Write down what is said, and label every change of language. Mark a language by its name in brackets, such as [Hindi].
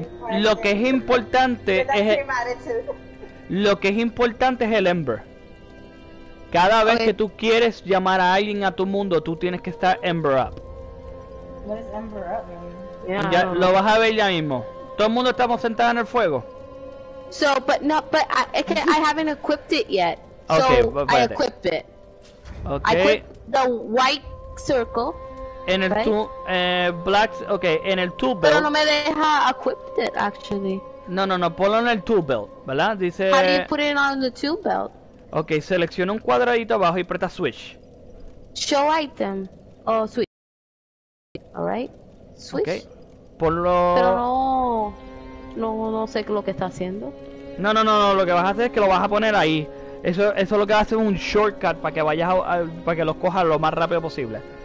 [Spanish] Lo que es importante es lo que es importante es el Ember. Cada vez que tú quieres llamar a alguien a tu mundo, tú tienes que estar Ember up. ¿Qué es Ember up, [English] man? [Spanish] Yeah, ya, lo vas a ver ya mismo. Todo el mundo estamos sentados en el fuego. [English] So, but no, but es que I haven't equipped it yet. So, okay, but I equipped it. Okay. I equipped the white circle. [Spanish] En el [English] right? [Spanish] Black, okay, en el tool belt. Pero no me deja [English] equipped it, [Spanish] actually. No, ponlo en el tool belt, ¿verdad? Dice... [English] How do you put it on the tool belt? [Spanish] Ok, selecciona un cuadradito abajo y aprieta switch. [English] Show item. O switch. Alright. Switch. [Spanish] Okay. Ponlo... Pero no sé lo que está haciendo. No, lo que vas a hacer es que lo vas a poner ahí. Eso es lo que va a hacer un shortcut para que vayas para que los cojas lo más rápido posible.